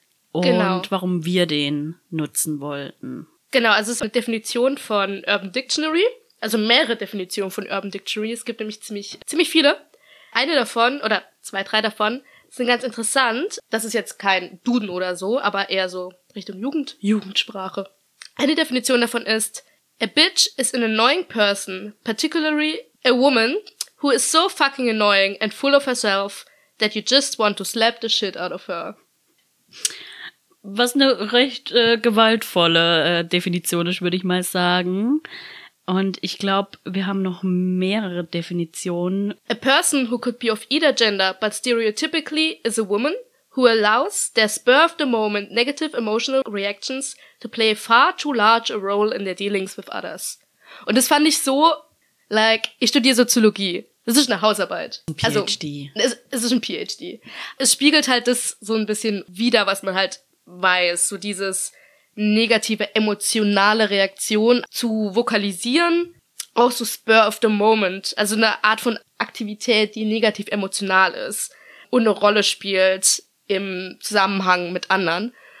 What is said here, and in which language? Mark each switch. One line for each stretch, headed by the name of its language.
German: Und genau. Warum wir den nutzen wollten. Genau, also es ist eine Definition von Urban Dictionary. Also mehrere Definitionen von Urban Dictionary. Es gibt nämlich ziemlich viele. Eine davon, oder zwei, drei davon, sind ganz interessant. Das ist jetzt kein Duden oder so, aber eher so Richtung Jugendsprache. Eine Definition davon ist:
English: A bitch is an annoying person, particularly a woman, who is so fucking annoying and full of herself that you just want to slap the shit out of her.
German: Was eine recht gewaltvolle Definition ist, würde ich mal sagen. Und ich glaube, wir haben noch mehrere Definitionen.
English: A person who could be of either gender, but stereotypically is a woman who allows their spur of the moment negative emotional reactions to play far too large a role in their dealings with others.
German: Und das fand ich so, like, ich studiere Soziologie. Das ist eine Hausarbeit. Ein PhD. Also, es ist ein PhD. Es spiegelt halt das so ein bisschen wider, was man halt weiß, so dieses negative emotionale Reaktion zu vokalisieren, auch so
English: Spur of the Moment,
German: also eine Art von Aktivität, die negativ emotional ist und eine Rolle spielt im Zusammenhang mit anderen.